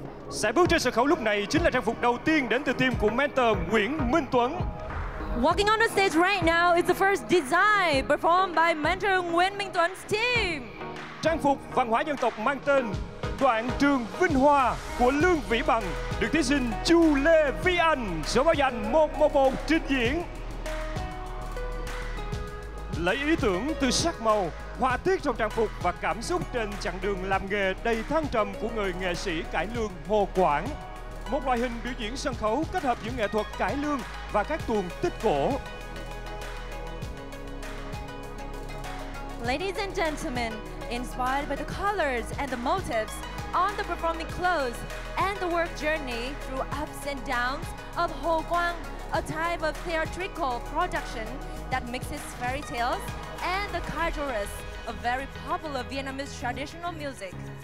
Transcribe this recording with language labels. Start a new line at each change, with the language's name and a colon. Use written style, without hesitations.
Vietnamese: Sẽ bước trên sân khấu lúc này chính là trang phục đầu tiên đến từ team của mentor Nguyễn Minh Tuấn.
English: Walking on the stage right now is the first design performed by mentor Nguyễn Minh Tuấn's team.
Vietnamese: Trang phục văn hóa dân tộc mang tên Đoạn Trường Vinh Hoa của Lương Vĩ Bằng được thí sinh Chu Lê Vi Anh số báo danh 111 trình diễn. Lấy ý tưởng từ sắc màu, họa tiết trong trang phục và cảm xúc trên chặng đường làm nghề đầy thăng trầm của người nghệ sĩ cải lương Hồ Quảng. Một loại hình biểu diễn sân khấu kết hợp những nghệ thuật cải lương và các tuồng tích cổ.
English: Ladies and gentlemen, inspired by the colors and the motifs on the performing clothes and the work journey through ups and downs of Hồ Quang, a type of theatrical production that mixes fairy tales and the cajolas, a very popular Vietnamese traditional music.